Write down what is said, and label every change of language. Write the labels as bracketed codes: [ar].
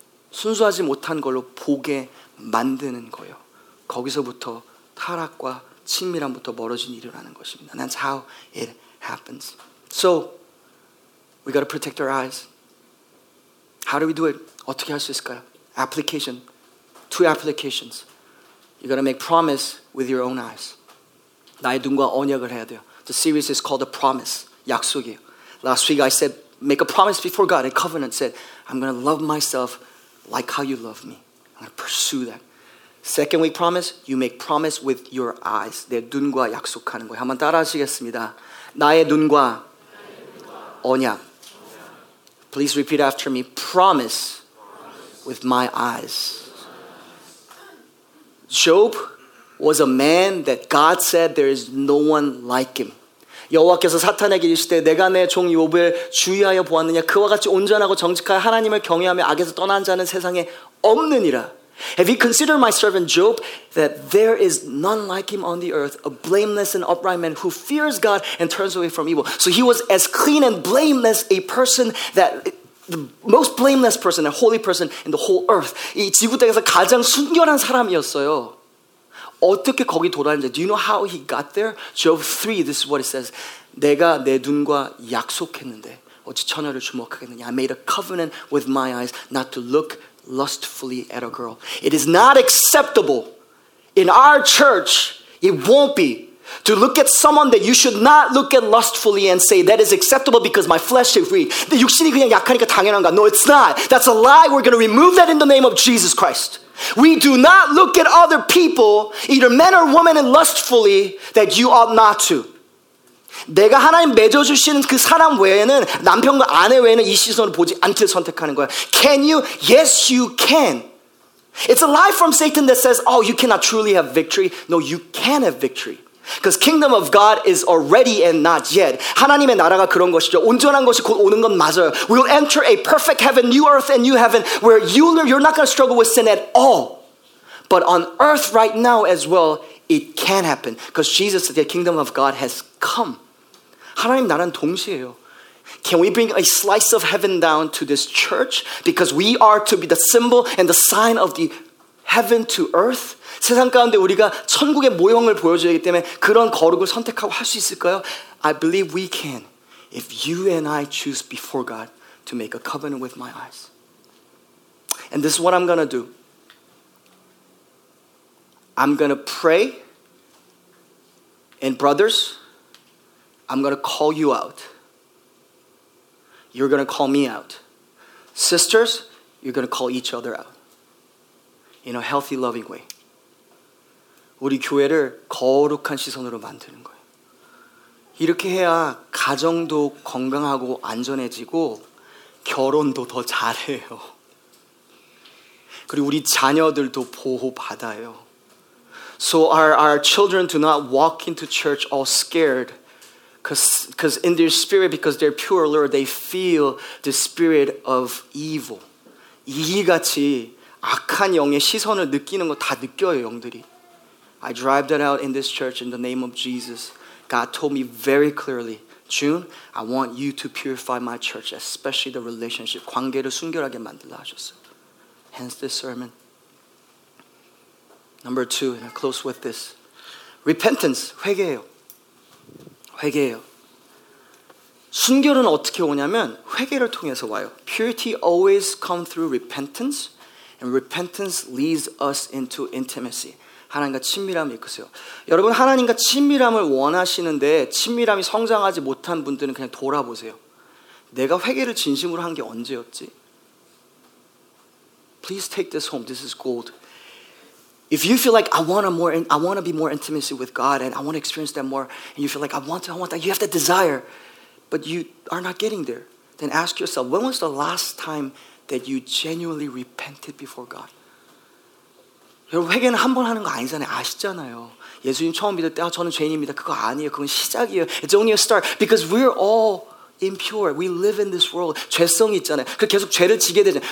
[ko] 순수하지 못한 걸로 보게 만드는 거예요. 거기서부터 타락과 친밀함부터 멀어진 일이 일어나는 것입니다. [en] And that's how it happens. So, we got to protect our eyes. How do we do it? [ko] 어떻게 할 수 있을까요? [en] Application. Two applications. You got to make promise with your own eyes. [ko] 나의 눈과 언약을 해야 돼요. [en] The series is called The Promise. [ko] 약속이에요. [en] Last week I said, make a promise before God. A covenant said, I'm going to love myself like how you love me. I'm going to pursue that. Second week promise, you make promise with your eyes. [ko] 내 눈과 약속하는 거예요. 한번 따라하시겠습니다. 나의 눈과 언약. [en] Please repeat after me. Promise with my eyes. Job was a man that God said there is no one like him. [ko] 여호와께서 사탄에게 이르시되 내가 내 종 욥을 주의하여 보았느냐 그와 같이 온전하고 정직하여 하나님을 경외하며 악에서 떠난 자는 세상에 없느니라. [en] Have you considered my servant Job that there is none like him on the earth, a blameless and upright man who fears God and turns away from evil? So he was as clean and blameless a person that the most blameless person, a holy person in the whole earth. [ko] 이 지구 땅에서 가장 순결한 사람이었어요. 어떻게 거기 돌아왔는지. [en] Do you know how he got there? Job 3, this is what it says. [ko] 내가 내 눈과 약속했는데 어찌 처녀를 주목하겠느냐. [en] I made a covenant with my eyes not to look lustfully at a girl. It is not acceptable in our church, it won't be, to look at someone that you should not look at lustfully and say that is acceptable because my flesh is weak. [ko] 내 육신이 그냥 약하니까 당연한가? [en] No, it's not. That's a lie. We're going to remove that in the name of Jesus Christ. We do not look at other people, either men or women, and lustfully that you ought not to. [ko] 내가 하나님 맺어주시는 그 사람 외에는 남편과 아내 외에는 이 시선을 보지 않길 선택하는 거야. [en] Can you? Yes, you can. It's a lie from Satan that says, oh, you cannot truly have victory. No, you can have victory. Because kingdom of God is already and not yet. [ko] 하나님의 나라가 그런 것이죠. 온전한 것이 곧 오는 건 맞아요. [en] We'll enter a perfect heaven, new earth and new heaven where you're not going to struggle with sin at all. But on earth right now as well, it can happen. Because Jesus, the kingdom of God has come. [ko] 하나님 나란 동시예요. [en] Can we bring a slice of heaven down to this church? Because we are to be the symbol and the sign of the heaven to earth. [ko] 세상 가운데 우리가 천국의 모형을 보여줘야기 때문에 그런 거룩을 선택하고 할 수 있을까요? [en] I believe we can. If you and I choose before God to make a covenant with my eyes. And this is what I'm going to do. I'm going to pray. And brothers, I'm going to call you out. You're going to call me out. Sisters, you're going to call each other out. in a healthy, loving way. [ko] 우리 교회를 거룩한 시선으로 만드는 거예요. 이렇게 해야 가정도 건강하고 안전해지고 결혼도 더 잘해요. 그리고 우리 자녀들도 보호받아요. [en] So our children do not walk into church all scared because in their spirit, because they're pure, Lord, they feel the spirit of evil. [ko] 이같이 악한 영의 시선을 느끼는 거 다 느껴요, 영들이. [en] I drive that out in this church in the name of Jesus. God told me very clearly, June, I want you to purify my church, especially the relationship. [ko] 관계를 순결하게 만들라 하셨어요. [en] Hence this sermon. Number two, and I close with this. Repentance, [ko] 회개예요. 회개예요. 순결은 어떻게 오냐면 회개를 통해서 와요. [en] Purity always comes through repentance, and repentance leads us into intimacy. [ko] 하나님과 친밀함이 있으세요. 여러분, 하나님과 친밀함을 원하시는데 친밀함이 성장하지 못한 분들은 그냥 돌아보세요. 내가 회개를 진심으로 한 게 언제였지? [en] Please take this home. This is gold. If you feel like I want to be more intimacy with God and I want to experience that more, and you feel like I want that, you have that desire, but you are not getting there, then ask yourself, when was the last time that you genuinely repented before God? [ko] 여러분, 회개는 한 번 하는 거 아니잖아요. 아시잖아요. 예수님 처음 믿을 때, 아, 저는 죄인입니다. 그거 아니에요. 그건 시작이에요. [en] It's only a start. Because we're all impure. We live in this world. [ko] 죄성이 있잖아요. 그 계속 죄를 지게 되잖아요.